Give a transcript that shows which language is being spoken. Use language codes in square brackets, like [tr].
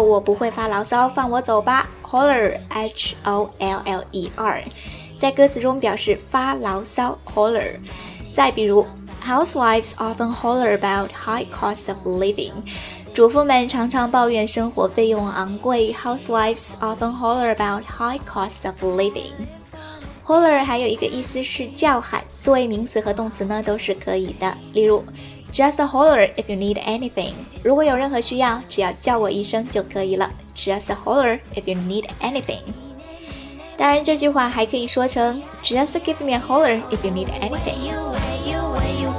[zh] 我不会发牢骚，放我走吧。Holler, H-O-L-L-E-R, 在歌词中表示发牢骚。 [en] Holler. [zh] 再比如 [en] ，Housewives often holler about high costs of living. [zh] 主妇们常常抱怨生活费用昂贵。 [en] Housewives often holler about high costs of living. [zh] Holler 还有一个意思是叫喊，作为名词和动词呢都是可以的。例如。 [en] Just a holler if you need anything. [zh] 如果有任何需要，只要叫我一声就可以了。 [en] Just a holler if you need anything. [zh] 当然这句话还可以说成 [en] Just give me a holler if you need anything.